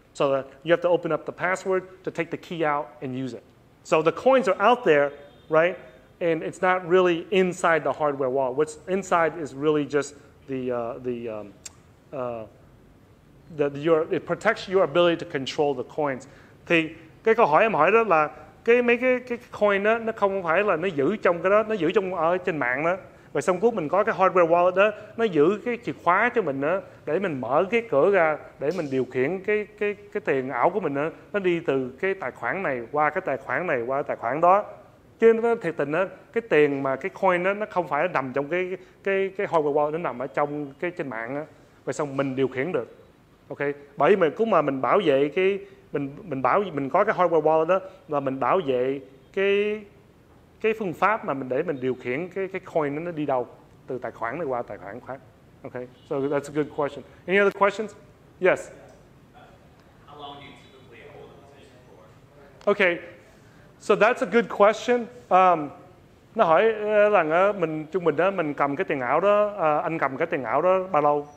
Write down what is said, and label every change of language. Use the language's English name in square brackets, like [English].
[English] So that you have to open up the password to take the key out and use it. So the coins are out there, right? And it's not really inside the hardware wallet. What's inside is really just it protects your ability to control the coins. [Vietnamese] Thì cái câu hỏi em hỏi đó là cái coin đó nó không phải là nó giữ trong cái đó, nó giữ trong ở trên mạng đó. Và xong cuối mình có cái hardware wallet đó, nó giữ cái chìa khóa cho mình đó, để mình mở cái cửa ra, để mình điều khiển cái tiền ảo của mình đó, nó đi từ cái tài khoản này qua cái tài khoản này qua cái tài khoản đó. Chứ nó thiệt tình đó, cái tiền mà cái coin đó, nó không phải nằm trong cái hardware wallet, nó nằm ở trong cái trên mạng đó. Và xong mình điều khiển được. Ok, bởi vì cũng mà mình bảo vệ cái mình có cái hardware wallet đó, và mình bảo vệ cái phương pháp mà mình để mình điều khiển cái coin nó đi đâu, từ tài khoản này qua tài khoản khác. [English] Ok, so that's a good question. Any other questions? Yes. How long do you typically hold a position for? Ok, so that's a good question. [Vietnamese] Nó hỏi rằng mình trung bình đó, mình cầm cái tiền ảo đó, anh cầm cái tiền ảo đó bao lâu?